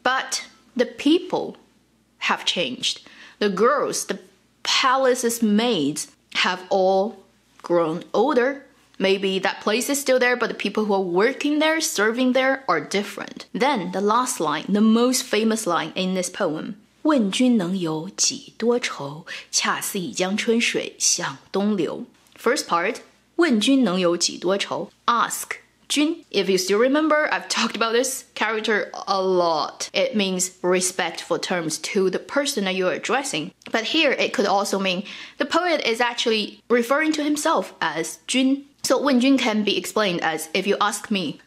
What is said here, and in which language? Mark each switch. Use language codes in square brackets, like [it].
[en] But the people have changed. The girls, the palace's maids, have all grown older. Maybe that place is still there, but the people who are working there, serving there, are different. Then, the last line, the most famous line in this poem. [zh] 问君能有几多愁恰似一江春水向东流 [en] First part, [zh] 问君能有几多愁 [en] Ask, 君 If you still remember, I've talked about this character a lot. It means respectful terms to the person that you're addressing. But here, it could also mean the poet is actually referring to himself as 君 So 问君 can be explained as, if you ask me,